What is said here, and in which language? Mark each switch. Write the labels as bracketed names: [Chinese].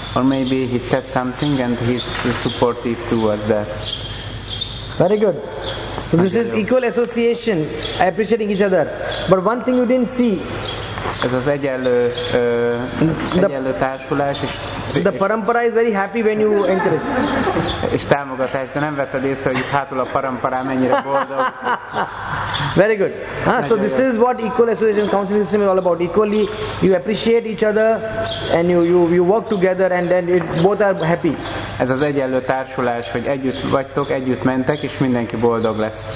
[English] Or maybe he said something and he's supportive towards that. Very good. So this is equal association, appreciating each other. But one thing you didn't see. [Hungarian] Ez az egyenlő társulás, és [English] the parampara is very happy when you enter it. [Hungarian] És támogatás, de nem vetted észre, hogy itt hátul a parampara mennyire boldog. [English] Very good. So this is what equal association council system is all about. Equally, you appreciate each other, and you work together, and then both are happy. [Hungarian] Ez az egyenlő társulás, hogy együtt vagytok, együtt mentek, és mindenki boldog lesz.